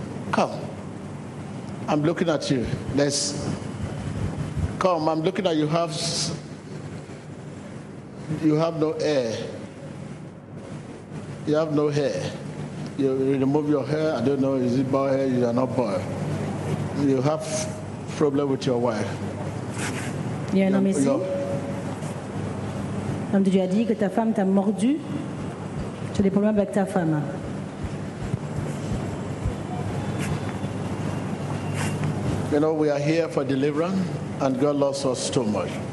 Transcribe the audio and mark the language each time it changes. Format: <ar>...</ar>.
<en>Come. I'm looking at you. Let's come. I'm looking at you. You have no hair. You have no hair. You remove your hair. I don't know. Is it bald hair? You are not bald. You have problem with your wife.</en> <fr>Il y a un homme ici. L'homme de Dieu a dit que ta femme t'a mordu. Tu as des problèmes avec ta femme.</fr> <en>You know, we are here for deliverance, and God loves us too much.</en>